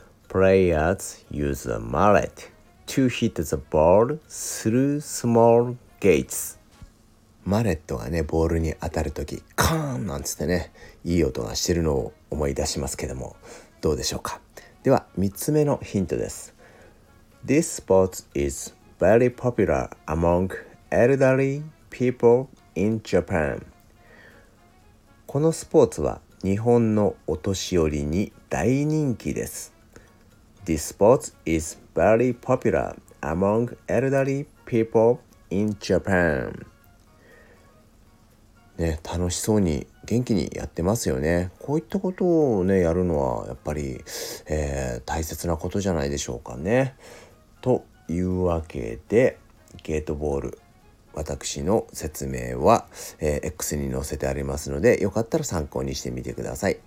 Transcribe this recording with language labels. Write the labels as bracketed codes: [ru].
[en] Players use a mallet to hit the ball through small gates。 [ja] マレットがねボールに当たるときカーンなんつってねいい音がしてるのを思い出しますけども、どうでしょうか。では3つ目のヒントです。 [en] This sport is very popular among elderly people in Japan。 [ja] このスポーツは日本のお年寄りに大人気です。 [en] This sport is very popular among elderly people in Japan。 [ja] ね、楽しそうに元気にやってますよね。こういったことをねやるのはやっぱり、大切なことじゃないでしょうかね。というわけでゲートボール、私の説明は、X に載せてありますので、よかったら参考にしてみてください。